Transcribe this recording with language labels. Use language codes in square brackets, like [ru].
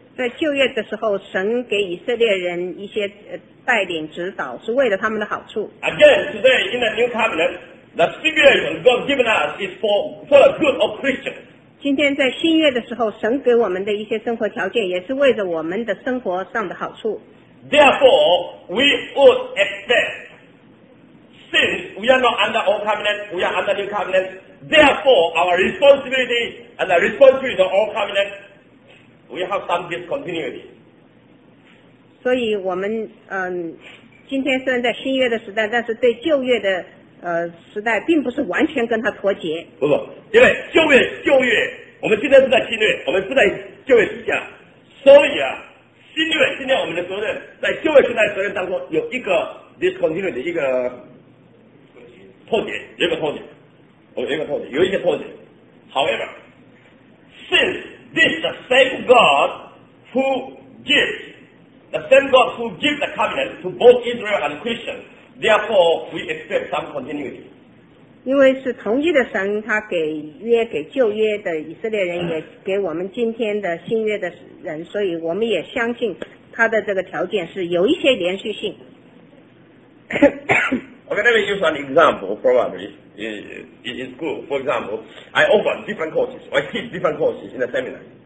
[zh] 在旧约的时候神给以色列人一些带领指导是为了他们的好处 [en] Again today in the new covenant the stipulation God given us is for the good of Christians [zh] 今天在新约的时候神给我们的一些生活条件也是为着我们的生活上的好处 [en] Therefore, we would expect since we are not under old covenant, we are under new covenant therefore our responsibility and the responsibility of old covenant we have some discontinuity [zh] 所以我们今天虽然在新约的时代但是对旧约的时代并不是完全跟他脱节。不不，因为旧约，我们现在是在新约，我们是在旧约之下，所以啊，新约我们的责任在旧约时代责任当中有一个 discontinuity 的一个脱节，有一些脱节。 [en] However, since this is the same God who gives, the covenant to both Israel and Christians, therefore we expect some continuity. [zh] 因为是同一的神，他给约给旧约的以色列人，也给我们今天的新约的人，所以我们也相信他的这个条件是有一些连续性。 [en] Okay, let me use an example, probably, in school, for example, I offer different courses, I teach different courses in a seminar.